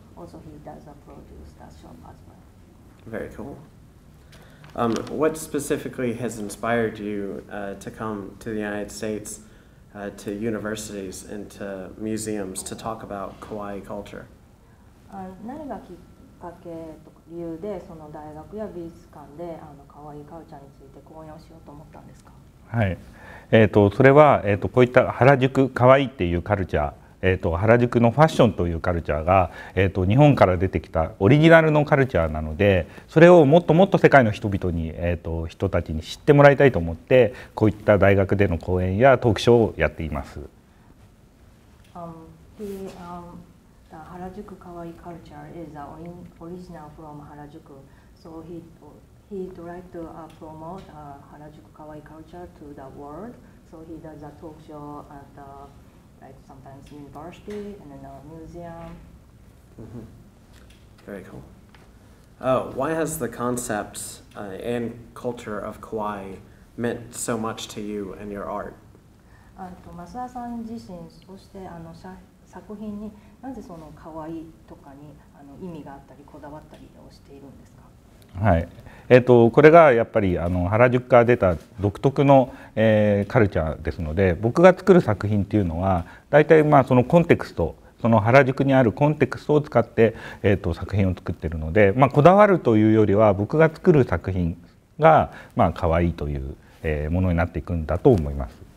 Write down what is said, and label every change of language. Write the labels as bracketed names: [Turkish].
[English] Also he does produce that shop as well. Very cool. What specifically has inspired you to come to the United States, to universities and to museums to talk about kawaii culture? [Japanese] 何がきっかけと理由でその大学や美術館でかわいいカルチャーについて講演をしようと思ったんですか？はい、それは、こういった原宿かわいいっていうカルチャー、原宿のファッションというカルチャーが、日本から出てきたオリジナルのカルチャーなので、それをもっともっと世界の人々に、人たちに知ってもらいたいと思ってこういった大学での講演やトークショーをやっています。 [English] 原宿かわいいカルチャー is オリジナル from 原宿、so he tried to promote 原宿かわいいカルチャー to the world, so he does a talk show at theLike sometimes university and then a museum. Mm-hmm. Very cool. Why has the concept and culture of kawaii meant so much to you and your art? [Japanese] 増田さん自身、そして作品になぜその可愛いとかに意味があったりこだわったりをしているんですか？はい、これがやっぱり原宿から出た独特の、カルチャーですので、僕が作る作品というのは大体まあそのコンテクスト、その原宿にあるコンテクストを使って、作品を作っているので、まあ、こだわるというよりは僕が作る作品がまあ可愛いという、ものになっていくんだと思います。